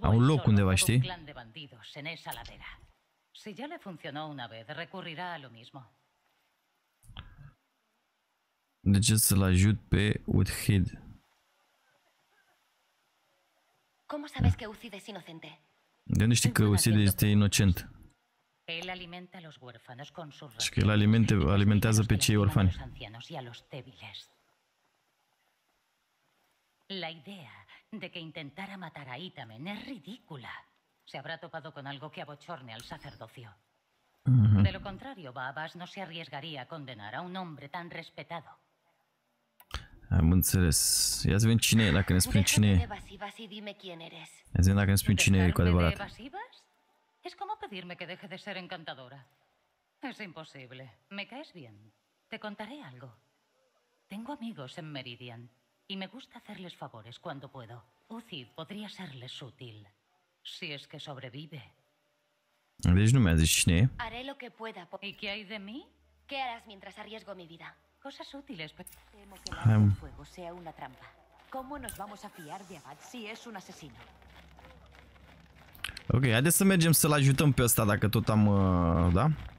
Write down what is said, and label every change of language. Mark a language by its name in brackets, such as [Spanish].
[Romanian] a un loc undeva, știi? [Spanish] Un clan de bandidos en esa ladera. Si ya le funcionó una vez, recurrirá a lo mismo. [Romanian] De ce să-l ajut pe Uthid? [Spanish] ¿Cómo sabes que Uthid es inocente? [Romanian] De unde știi că Uthid este inocent? [Spanish] Él alimenta a los huérfanos con sus restos. Es que él [Romanian] alimentează pe cei orfani. [Spanish] Los ancianos y a los débiles. La idea de que intentara matar a Itamen es ridícula. Se habrá topado con algo que abochorne al sacerdocio. De lo contrario, Babas no se arriesgaría a condenar a un hombre tan respetado. [Romanian] Am înțeles. Ia să vedem cine e, dacă ne spun cine e. Ia să vedem dacă ne spun cine e cu adevărat. [Spanish] Es como pedirme que deje de ser encantadora. Es imposible. Me caes bien. Te contaré algo. Tengo amigos en Meridian y me gusta hacerles favores cuando puedo. Uthid podría serles útil si es que sobrevive. [Romanian] Deci nu mi-a zis cine. [Spanish] Haré lo que pueda. ¿Y qué hay de mí? ¿Qué harás mientras arriesgo mi vida? Cosas útiles. Temo que el fuego sea una trampa. ¿Cómo nos vamos a fiar de Abad si es un asesino? [Romanian] Ok, haideți să mergem să-l ajutăm pe ăsta dacă tot am, da?